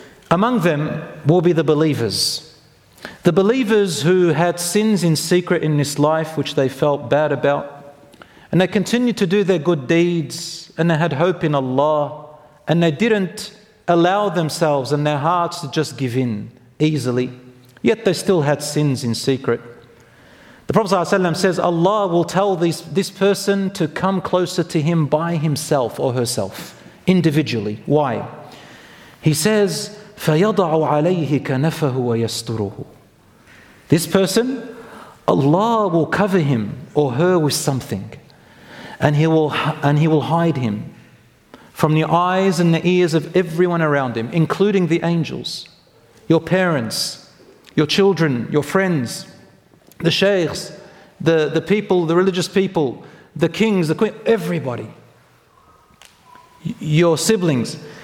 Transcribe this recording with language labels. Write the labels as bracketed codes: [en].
[en] Among them will be the believers. The believers who had sins in secret in this life, which they felt bad about, and they continued to do their good deeds, and they had hope in Allah, and they didn't allow themselves and their hearts to just give in easily. Yet they still had sins in secret. The Prophet ﷺ says, Allah will tell this person to come closer to him by himself or herself, individually. Why? He says, [ar] فَيَضَعُ عَلَيْهِ كَنَفَهُ وَيَسْتُرُهُ. [en] This person, Allah will cover him or her with something, and he will hide him from the eyes and the ears of everyone around him, including the angels, your parents, your children, your friends, the sheikhs, the people, the religious people, the kings, the queen, everybody, your siblings.